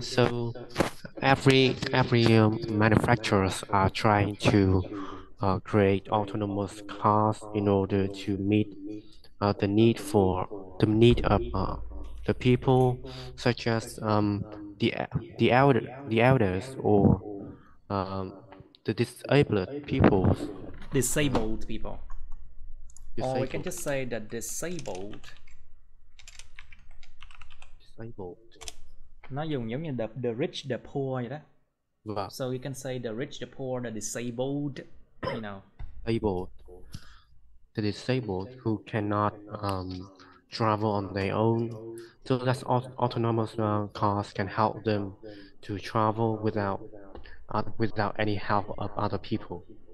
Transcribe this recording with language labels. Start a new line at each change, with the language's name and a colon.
English: So every manufacturers are trying to create autonomous cars in order to meet the need of the people, such as the elders or the disabled people. Disabled. Or we can just say the disabled. Disabled.
Vietnamese: Nó dùng giống như
English: the rich, the poor
Vietnamese: vậy đó. Vâng.
English: So we can say the rich, the poor, the disabled, you know. Disabled. The disabled who cannot travel on their own. So that's autonomous cars can help them to travel without any help of other people.